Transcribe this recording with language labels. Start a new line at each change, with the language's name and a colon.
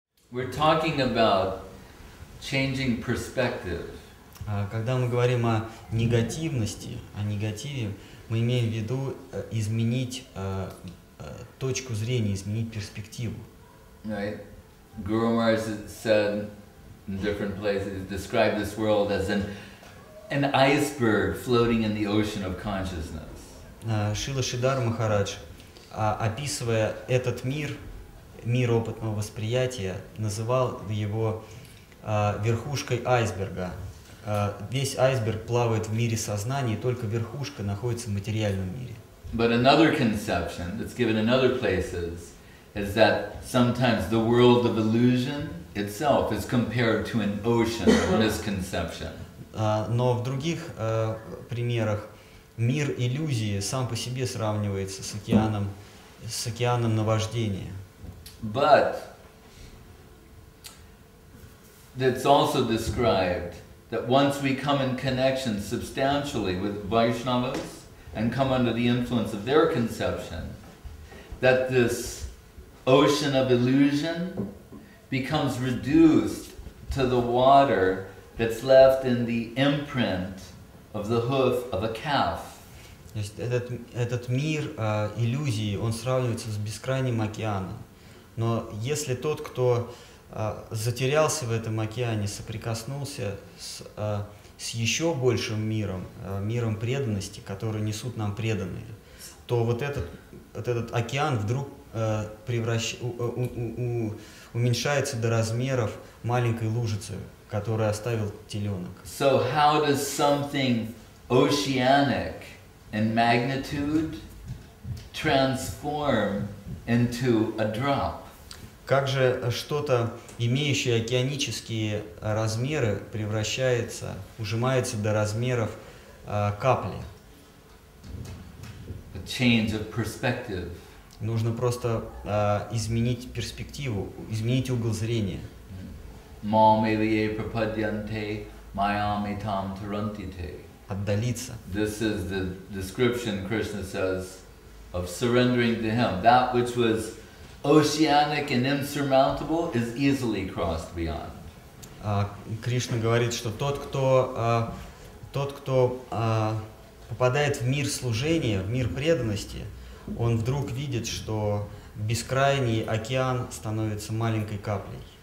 English: We're talking about changing perspective.
Russian: Когда мы говорим о негативности, о негативе, мы имеем в виду изменить точку зрения, изменить перспективу.
English: Right. Guru Maharaj said in different places, described this world as an iceberg floating in the ocean of consciousness.
Russian: Шрила Шридхара Махарадж, описывая этот мир, мир опытного восприятия, называл его верхушкой айсберга. Весь айсберг плавает в мире сознания, и только верхушка находится в материальном мире.
English: But another conception that's given in other places is that sometimes the world of illusion itself is compared to an ocean of misconception.
Russian: Но в других примерах мир иллюзии сам по себе сравнивается с океаном наваждения.
English: But it's also described that once we come in connection substantially with Vaishnavas and come under the influence of their conception, that this ocean of illusion becomes reduced to the water that's left in the imprint of the hoof of a calf.
Russian: Этот мир иллюзии, он сравнивается с бескрайним океаном. Но если тот, кто затерялся в этом океане, соприкоснулся с еще большим миром, миром преданности, который несут нам преданные, то вот этот океан вдруг уменьшается до размеров маленькой лужицы, которую оставил теленок.
English: So how does something oceanic in magnitude transform into a drop?
Russian: Как же что-то, имеющее океанические размеры, превращается, ужимается до размеров капли?
English: A change of perspective.
Russian: Нужно просто изменить перспективу, изменить угол зрения.
Sanskrit: Мам илие пропадьянте, майам итам тарантите.
Russian: Отдалиться.
English: This is the description Krishna says of surrendering to Him. That which was oceanic and insurmountable is easily crossed beyond.
Russian: Кришна говорит, что тот, кто попадает в мир служения, в мир преданности, он вдруг видит, что бескрайний океан становится маленькой каплей.